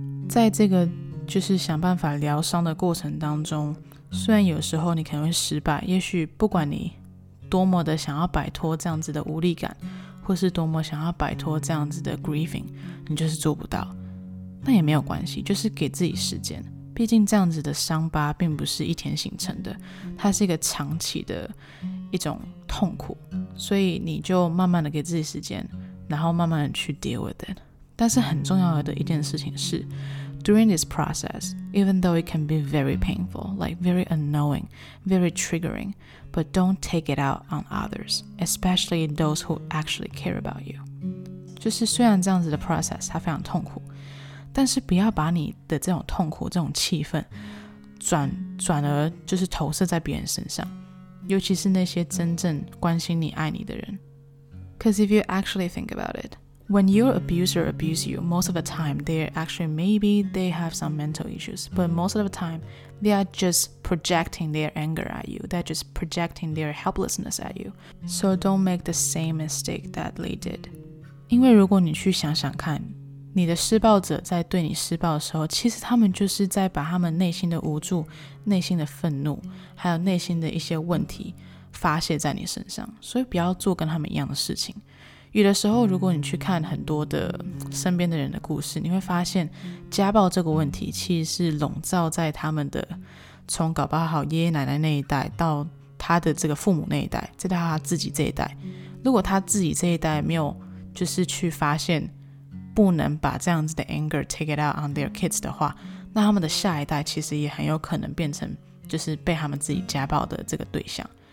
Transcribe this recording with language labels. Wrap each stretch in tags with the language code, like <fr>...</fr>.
<zh>在这个就是想办法疗伤的过程当中，虽然有时候你可能会失败，也许不管你多么的想要摆脱这样子的无力感，或是多么想要摆脱这样子的 grieving， 你就是做不到，那也没有关系，就是给自己时间，毕竟这样子的伤疤并不是一天形成的，它是一个长期的一种痛苦，所以你就慢慢的给自己时间，然后慢慢的去</zh> <en>deal with it。</en> <zh>但是很重要的一件事情是，</zh> <en>during this process, even though it can be very painful, like very unknowing, very triggering, but don't take it out on others, especially those who actually care about you.</en> <zh>就是虽然这样子的 process 它非常痛苦，但是不要把你的这种痛苦这种气氛转而就是投射在别人身上，尤其是那些真正关心你爱你的人。</zh> <en>Because if you actually think about it, when your abuser abuse you, most of the time they're actually maybe they have some mental issues, but most of the time they are just projecting their anger at you, they're just projecting their helplessness at you. So don't make the same mistake that they did.</en> <zh>因为如果你去想想看，你的施暴者在对你施暴的时候，其实他们就是在把他们内心的无助、内心的愤怒还有内心的一些问题发泄在你身上，所以不要做跟他们一样的事情。有的时候如果你去看很多的身边的人的故事，你会发现家暴这个问题其实是笼罩在他们的，从搞不好爷爷奶奶那一代到他的这个父母那一代再到他自己这一代，如果他自己这一代没有就是去发现不能把这样子的</zh> <en>anger take it out on their kids</en> <zh>的话，那他们的下一代其实也很有可能变成就是被他们自己家暴的这个对象。</zh>